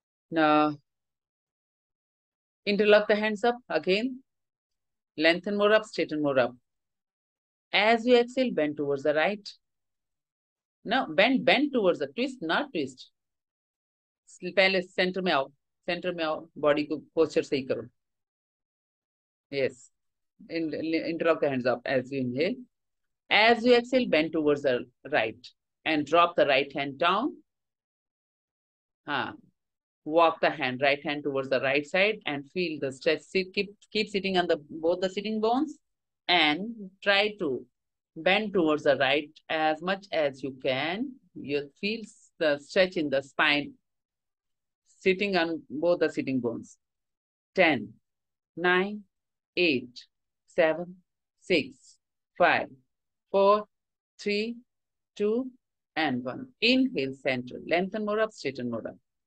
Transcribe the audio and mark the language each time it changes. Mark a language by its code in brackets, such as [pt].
[en] Now, interlock the hands up again. Lengthen more up, straighten more up. As you exhale, bend towards the right. Now, bend towards the twist, not twist. [hi] पहले centre में आओ, centre में आओ, body को posture सही करो. [en] Yes, interlock the hands up as you inhale. As you exhale, bend towards the right and drop the right hand down. हाँ, walk the hand, right hand towards the right side and feel the stretch. Keep sitting on the both the sitting bones and try to bend towards the right as much as you can. You feel the stretch in the spine. Sitting on both the sitting bones. 10, 9, 8, 7, 6, 5, 4, 3, 2, and 1. Inhale, center. Lengthen more up, straighten more up.